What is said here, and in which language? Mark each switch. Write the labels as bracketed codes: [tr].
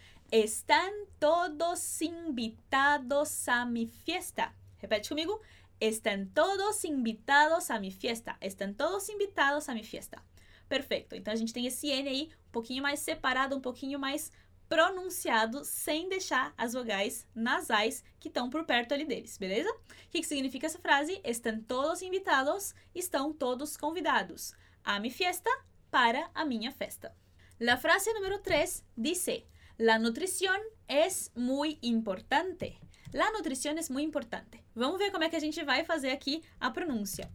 [es] Están todos invitados a mi fiesta. Repete conmigo. Están todos invitados a mi fiesta. Están todos invitados a mi fiesta. Perfecto. [pt] Então a gente tem esse N aí um pouquinho mais separado, um pouquinho mais pronunciado sem deixar as vogais nasais que estão por perto ali deles, beleza? O que significa essa frase? [es] Están todos invitados, [pt] estão todos convidados. [es] A mi fiesta, [pt] para a minha festa. [es] La frase número 3 dice, la nutrición es muy importante. La nutrición es muy importante. [pt] Vamos ver como é que a gente vai fazer aqui a pronúncia.